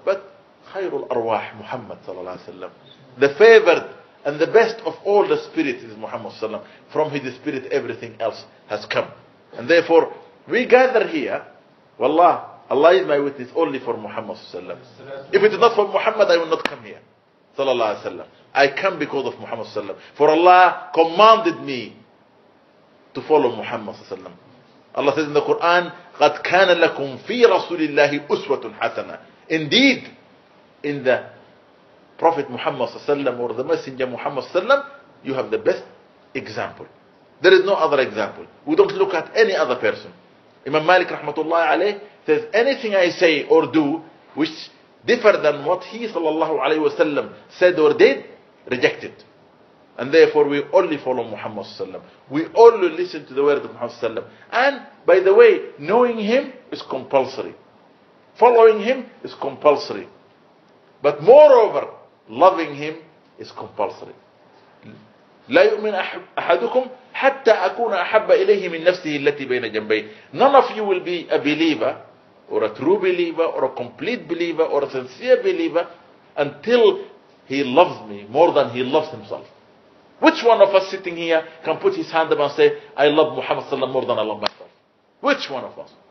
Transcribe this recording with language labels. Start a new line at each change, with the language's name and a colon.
Arabic: But خير الأرواح محمد صلى الله عليه وسلم.
English: The favored and the best of all the spirits is Muhammad
Arabic: صلى الله عليه وسلم.
English: From his spirit everything else has come. And therefore we gather here. Wallah, Allah is my witness only for Muhammad
Arabic: صلى الله عليه وسلم.
English: If it is not for Muhammad, I will not come here
Arabic: صلى الله عليه وسلم.
English: I come because of Muhammad صلى الله عليه وسلم. For Allah commanded me to follow Muhammad صلى الله عليه وسلم. Allah says in the Quran,
Arabic: قد كان لكم في رسول الله أسوة حسنة.
English: Indeed, in the Prophet Muhammad sallallahu or the Messenger Muhammad sallallahu, you have the best example. There is no other example. We don't look at any other person. Imam Malik rahmatullah alayh says, anything I say or do which differ than what he sallallahu alayhi wasallam said or did, reject it. And therefore we only follow Muhammad sallallahu. We only listen to the word of Muhammad sallallahu. And by the way, knowing him is compulsory. Following him is compulsory. But moreover, loving him is compulsory.
Arabic: لا يؤمن أحدكم حتى أكون أحب إليه من نفسه التي بين جنبيه.
English: None of you will be a believer, or a true believer, or a complete believer, or a sincere believer, until he loves me more than he loves himself. Which one of us sitting here can put his hand up and say, I love Muhammad sallallahu alaihi wasallam more than I love myself? Which one of us?